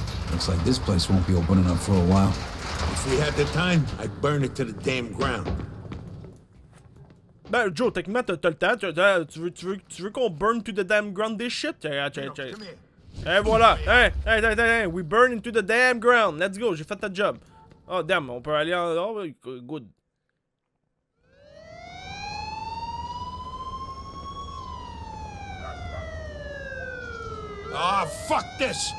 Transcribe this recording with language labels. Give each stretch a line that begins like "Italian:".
English: Looks like this place won't be open enough for a while. If we had the time, I'd burn it to the damn ground.
French: Ben, Joe, techniquement, t'as le temps. Tu veux qu'on
English: burn to the damn ground this shit?
French: Tiens. Hey, voilà.
English: Hey, we burn into the damn ground. Let's go,
French: j'ai fait ta job.
English: Oh, damn,
French: on peut aller en.
English: Oh, good. Ah, fuck this!